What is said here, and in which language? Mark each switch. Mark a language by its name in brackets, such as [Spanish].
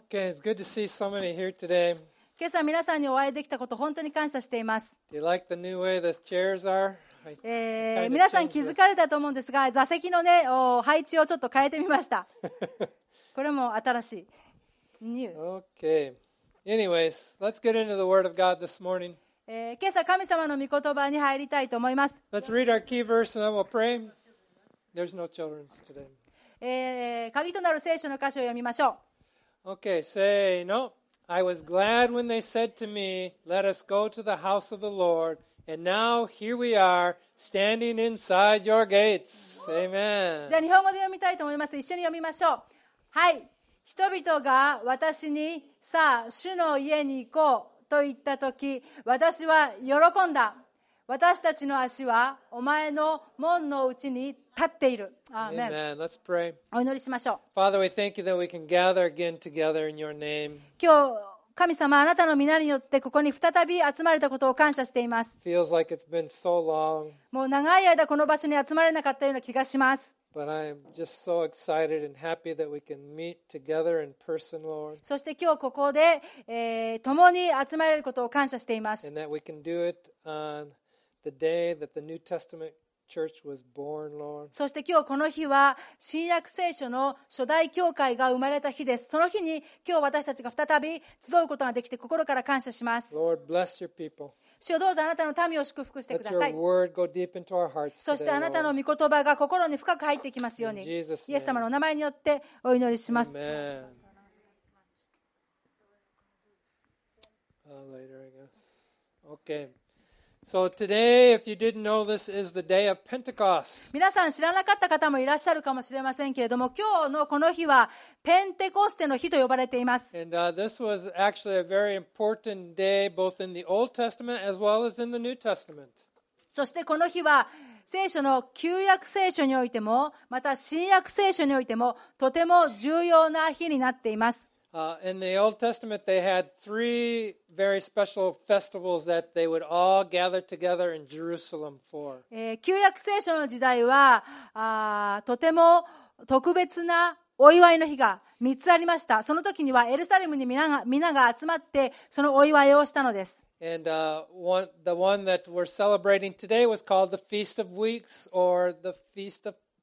[English] It's good to see so many here today. [Japanese] 今朝皆さんにお会いできたこと本当に感謝しています。 [English] Do you like the new way the chairs are? [Japanese] 皆さん気づかれたと思うんですが、座席の、ね、配置をちょっと変えてみました。これも新しい。New. [English] Okay. Anyways, let's get into the Word of God this morning. [Japanese] 今朝神様の御言葉に入りたいと思います。 [English] Let's read our key verse and then we'll pray. There's no children's today. [Japanese] 鍵となる聖書の箇所を読みましょう。 [English] Okay, say no. I was glad when they said to me, let us go to the house of the Lord. And now here we are standing inside your gates. Amen. [Japanese] じゃあ日本語で読みたいと思います。一緒に読みましょう。はい。人々が私にさあ主の家に行こうと言ったとき、私は喜んだ。私たちの足はお前の門のうちに立っている。 [English] Amen. Amen. Let's pray. [Japanese] お祈りしましょう。 [English] Father, we thank you that we can gather again together in your name. [Japanese] 今日神様、あなたの皆によってここに再び集まれたことを感謝しています。 [English] Feels like it's been so long. [Japanese] もう長い間この場所に集まれなかったような気がします。 [English] But I am just so excited and happy that we can meet together in person, Lord. [Japanese] そして今日ここで、共に集まれることを感謝しています。 [English] And that we can do it on the day that the New Testament Church was born, Lord. [Japanese] そして今日この日は新約聖書の初代教会が生まれた日です。その日に今日私たちが再び集うことができて心から感謝します。 [English] Lord, bless your people. [Japanese] 主よ、どうぞあなたの民を祝福してください。 [English] Let your word go deep into our hearts today, [Japanese] そしてあなたの御言葉が心に深く入ってきますように。イエス様の名前によってお祈りします。 [English] Amen. Later, I guess. Okay. So today, if you didn't know, this is the day of Pentecost. [Japanese] 皆さん知らなかった方もいらっしゃるかもしれませんけれども、今日のこの日はペンテコステの日と呼ばれています。 [English] And this was actually a very important day, both in the Old Testament as well as in the New Testament. [Japanese] そしてこの日は聖書の旧約聖書においても、また新約聖書においてもとても重要な日になっています。 [English] In the Old Testament, they had three very special festivals that they would all gather together in Jerusalem for. [Japanese] 旧約聖書の時代は、とても特別なお祝いの日が3つありました。その時にはエルサレムに皆が集まってそのお祝いをしたのです。 [English] And the one that we're celebrating today was called the Feast of Weeks or the Feast of